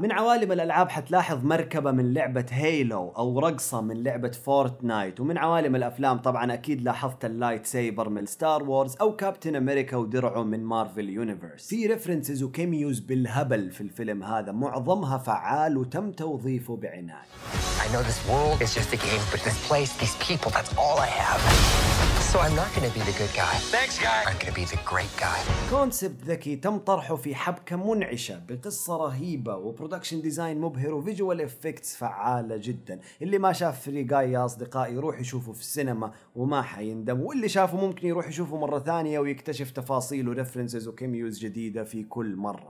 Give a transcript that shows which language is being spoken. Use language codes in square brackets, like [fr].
[ar] من عوالم الألعاب حتلاحظ مركبة من لعبة هيلو أو رقصة من لعبة فورتنايت. ومن عوالم الأفلام طبعا أكيد لاحظت اللايت سايبر من ستار وورز أو كابتن أمريكا ودرعه من مارفل يونيفرس. في ريفرنسز وكيميوز بالهبل في الفيلم هذا، معظمها فعال وتم توظيفه بعناية. [en] I know this world is just a game, but this place, these people, that's all I have. So I'm not gonna be the good guy. Thanks, guy. I'm gonna be the great guy. [ar] كونسبت ذكي تم طرحه في حبكة منعشة بقصة رهيبة وبرودكشن ديزاين مبهر وفيجوال افكتس فعالة جدا. اللي ما شاف فري جاي يا أصدقائي يروح يشوفه في السينما وما حيندم، واللي شافه ممكن يروح يشوفه مرة ثانية ويكتشف تفاصيل وريفرنسز وكيميوز جديدة في كل مرة.